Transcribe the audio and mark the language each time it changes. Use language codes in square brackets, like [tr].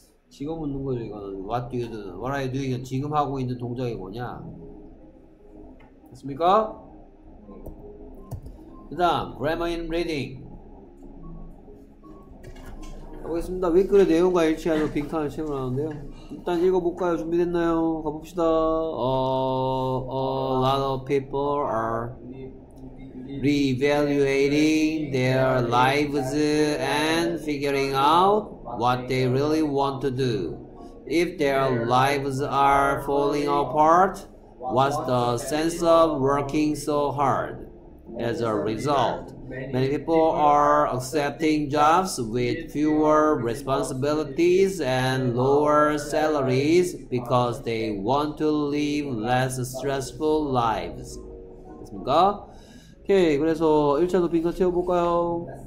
[ko] 직업 묻는 거죠 이거는. [en] What do you do? What are you doing? [ko] 지금 하고 있는 동작이 뭐냐? 됐습니까? 그 다음 grammar in reading 하고 있습니다. 윗글의 내용과 일치하여 빈칸을 채우고 나오는데요. 일단 읽어볼까요? 준비됐나요? 가봅시다. [en] A lot of people are reevaluating their lives and figuring out what they really want to do. If their lives are falling apart, what's the sense of working so hard? As a result, many people are accepting jobs with fewer responsibilities and lower salaries because they want to live less stressful lives. [ko] 됐습니까? 오케이, 그래서 1차도 빈칸 채워볼까요?